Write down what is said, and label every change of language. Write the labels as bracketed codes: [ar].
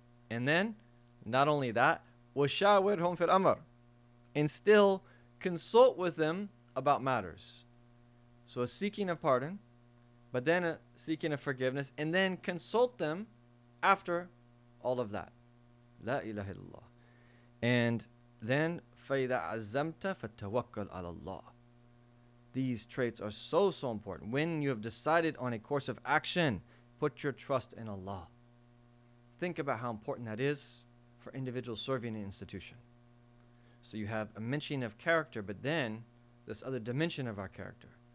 [en] And then, not only that, [ar] وَشَاوِرْهُمْ فِي الْأَمْرِ. [en] And still consult with them about matters. So a seeking of pardon, but then a seeking of forgiveness, and then consult them after all of that. La ilaha illallah. And then, [ar] فَإِذَا عَزَّمْتَ فَتَوَكَّلْ عَلَى اللَّهِ. [en] These traits are so, so important. When you have decided on a course of action, put your trust in Allah. Think about how important that is for individuals serving an institution. So you have a mentioning of character, but then this other dimension of our character.